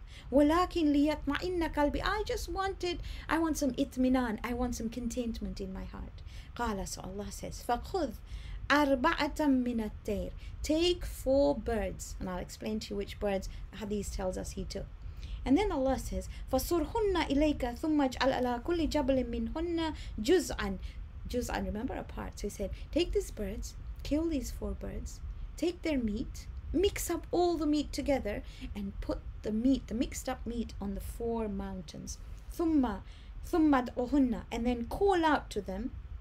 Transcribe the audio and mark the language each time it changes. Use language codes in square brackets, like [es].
[ar] وَلَكِنْ لِيَطْمَئِنَّ قَلْبِ, [en] I want some itminan, I want some contentment in my heart. [ar] قَالَ, [en] so Allah says, [ar] فَخُذْ أَرْبَعَةً مِنَ الطَّيْرِ, [en] take four birds, and I'll explain to you which birds Hadith tells us he took. And then Allah says, [ar] فَصُرْهُنَّ إِلَيْكَ ثُمَّ اجْعَلْ عَلَىٰ كُلِّ جَبْلٍ مِّنْهُنَّ جُزْعًا. [en] Juz'an, remember a part. So he said, take these birds, kill these four birds, take their meat, mix up all the meat together, and put the meat, the mixed up meat, on the four mountains. [ar] Thumma ad'uhunna, [en] and then call out to them.